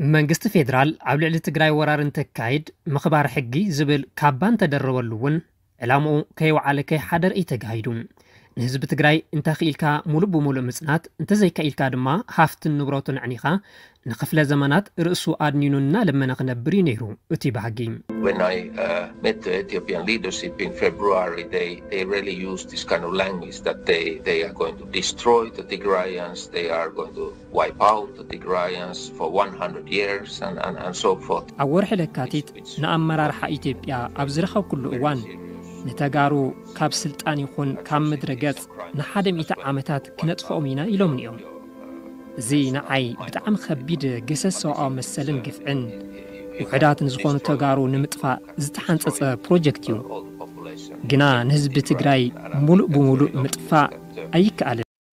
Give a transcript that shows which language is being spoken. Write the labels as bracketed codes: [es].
[ti] መንግስት ፌዴራል አብ ልዕሊ ትግራይ ወራርን ተካሂድ ምኽባር ሕጊ ዝብል ካባን ተደረበሉ እውን ዕላምኡ ከይወዓለ ከይሓደ ርኢ ተጋሂዱ ንህዝቢ ትግራይ እንተኽኢልካ ሙሉእ ብሙሉእ ምጽናት እንተዘይከኢልካ ድማ ሃፍትን ንብረቱን ዕኒኻ ንክፍለ ዘመናት ርእሱ ኣድኒኑ እናለመነ ክነብር እዩ ነይሩ እቲ ባህጊ [en] When I met the Ethiopian leadership in February, they really used this kind of language that they are going to destroy the Tigrayans, they are going to wipe out the Tigrayans for 100 years and so forth. [ti] ኣወርሒ ለካቲት ንኣመራርሓ ኢትዮጵያ ኣብ ዝረኸብ ኩሉ እዋን ንተጋሩ ካብ ስልጣን ይኹን ካብ ምድረ ገጽ ንሓደ ሚእቲ ዓመታት ክነጥፈኦም ኢና ኢሎም ንኦም እዚ ንዓይ ብጣዕሚ ከቢድ ገሰስ ሰብኣዊ መሰልን ግፍዕን ውሕዳት ንዝኾኑ ተጋሩ ንምጥፋእ ዝተሓንፀፀ ፕሮጀክት እዩ ግና ንህዝቢ ትግራይ ሙሉእ ብምሉእ ምጥፋእ ኣይከኣልን